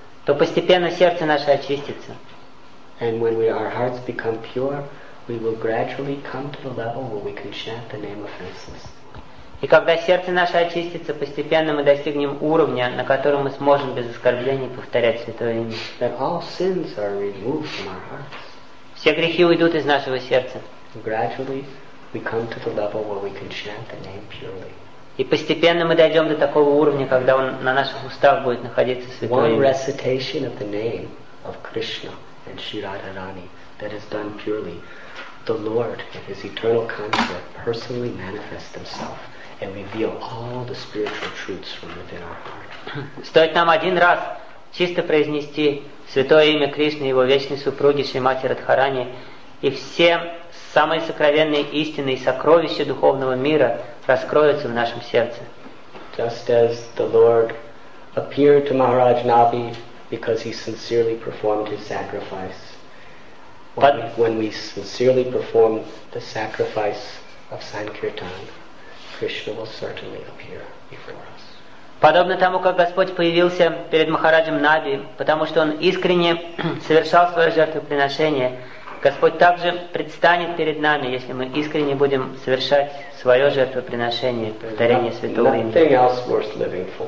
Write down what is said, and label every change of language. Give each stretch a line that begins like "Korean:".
Russian: То постепенно сердце наше очистится.
English: And when our hearts become pure, we will gradually come to the level where we can chant the name of Francis.
Russian: И когда сердце наше очистится, постепенно мы достигнем уровня, на котором мы сможем без оскорблений повторять Святое Имя.
English: That all sins are removed from our hearts.
Russian: Все грехи уйдут из нашего сердца.
English: Gradually we come to the level where we can chant the name purely.
Russian: И постепенно мы дойдем до такого уровня, когда он на наших устах будет находиться Святое Имя.
English: One recitation of the name of Krishna and Sri Radharani that is done purely, the Lord in His eternal conduct personally manifests Himself and reveals all the spiritual truths from within our heart.
Russian: Стоит нам один раз чисто произнести Святое Имя Кришны и Его вечной супруги Шримати Радхарани, и все самые сокровенные истины и сокровища духовного мира раскроются в нашем сердце.
English: Just as the Lord appeared to Maharaj Nabi because he sincerely performed his sacrifice. When we sincerely perform the sacrifice of Sankirtan, Krishna will certainly appear before us.
Russian: Подобно тому, как Господь появился перед Махараджем Наби, потому что он искренне совершал свое жертвоприношение, Господь также предстанет перед нами, если мы искренне будем совершать свое жертвоприношение, повторение Святого Имени.